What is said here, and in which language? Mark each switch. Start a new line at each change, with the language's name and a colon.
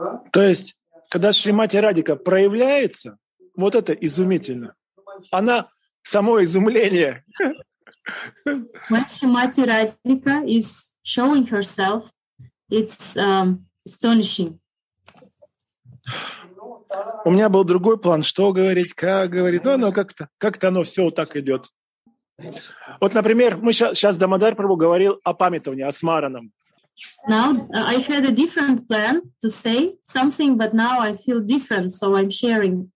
Russian: То есть, когда Шримати Радика проявляется, вот это изумительно. Она само изумление.
English: When Shrimati Radhika is showing herself, it's astonishing.
Russian: У меня был другой план, что говорить, как говорить. Ну, оно как-то оно все вот так идет. Вот, например, мы сейчас Дамодар Прабху говорил о памятовании, о смаранам.
English: Now I had a different plan to say something, but now I feel different, so I'm sharing.